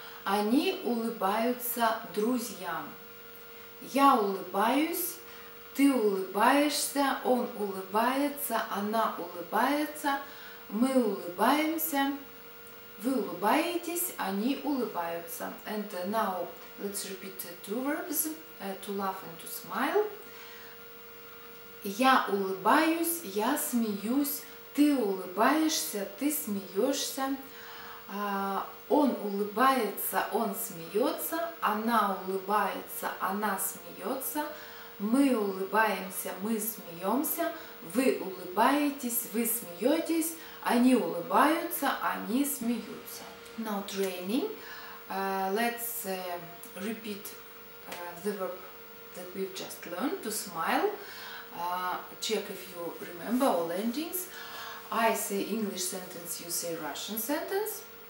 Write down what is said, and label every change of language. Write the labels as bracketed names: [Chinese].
[Russian] Они улыбаются друзьям. Я улыбаюсь, ты улыбаешься, он улыбается, она улыбается, мы улыбаемся, вы улыбаетесь, они улыбаются. [English] And now let's repeat the two verbs, to laugh and to smile. [Russian] Я улыбаюсь, я смеюсь, ты улыбаешься, ты смеешься. Он улыбается, он смеется, она улыбается, она смеется, мы улыбаемся, мы смеемся, вы улыбаетесь, вы смеетесь, они улыбаются, они смеются. [English] Now training. Let's repeat the verb that we've just learned, to smile. Check if you remember all endings. I say English sentence, you say Russian sentence.